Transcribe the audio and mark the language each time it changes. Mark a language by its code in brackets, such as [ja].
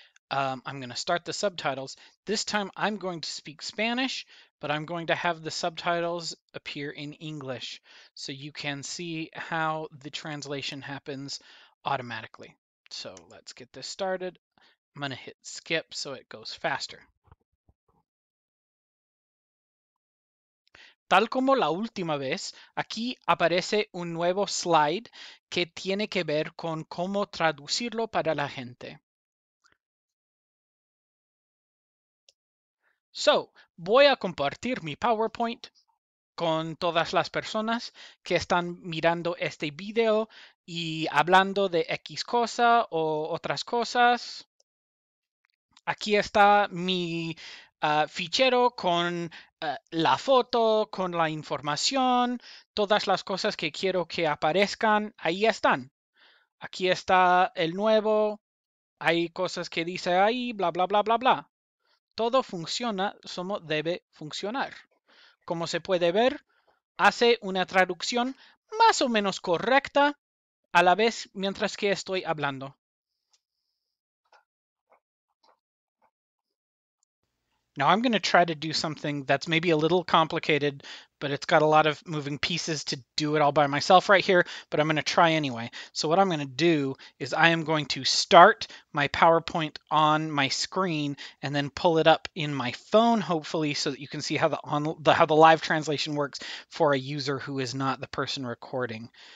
[en] I'm going to start the subtitles. This time I'm going to speak Spanish, but I'm going to have the subtitles appear in English so you can see how the translation happens automatically. So let's get this started. I'm going to hit skip so it goes faster. [es] Tal como la última vez, aquí aparece un nuevo slide que tiene que ver con cómo traducirlo para la gente. So, voy a compartir mi PowerPoint con todas las personas que están mirando este video y hablando de X cosa o otras cosas. Aquí está mi fichero con la foto, con la información, todas las cosas que quiero que aparezcan, ahí están. Aquí está el nuevo, hay cosas que dice ahí, bla, bla, bla, bla, bla. Todo funciona como debe funcionar. Como se puede ver, hace una traducción más o menos correcta a la vez mientras que estoy hablando. [en] Now I'm going to try to do something that's maybe a little complicated, but it's got a lot of moving pieces to do it all by myself right here, but I'm going to try anyway. So what I'm going to do is I am going to start my PowerPoint on my screen and then pull it up in my phone, hopefully, so that you can see how the live translation works for a user who is not the person recording.